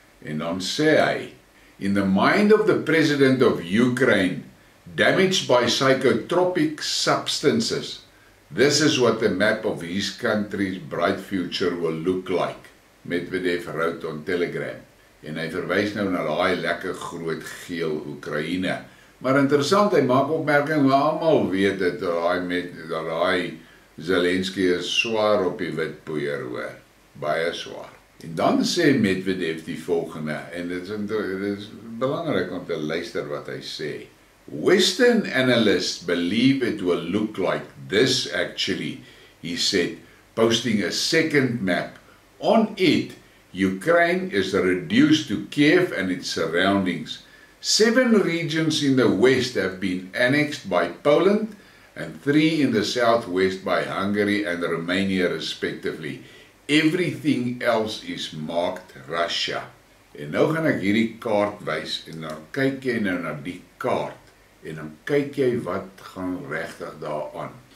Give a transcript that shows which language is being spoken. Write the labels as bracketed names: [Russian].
[Afrikaans] En dan sê hy, [English] in the mind of the president of Ukraine, damaged by psychotropic substances, this is what the map of his country's bright future will look like. Medvedev wrote on Telegram. [Afrikaans] En hy verwys nou na daai lekker groot geel Oekraïne. Maar interessant, hy maak opmerking, maar almal weet dit, dat daai Zelensky is swaar op die wit poeier, hoor. Baie swaar. En dan sê Medvedev die volgende, en dit is belangrik om te luister wat hy sê. [English] Western analysts believe it will look like this actually, he said, posting a second map. On it, Ukraine is reduced to Kiev and its surroundings. Seven regions in the west have been annexed by Poland and three in the southwest by Hungary and Romania respectively. Everything else is marked Russia. [Afrikaans] En nou gaan ek hierdie kaart wys en dan kyk jy nou na die kaart. En dan kyk jy wat gaan regtig daar aan.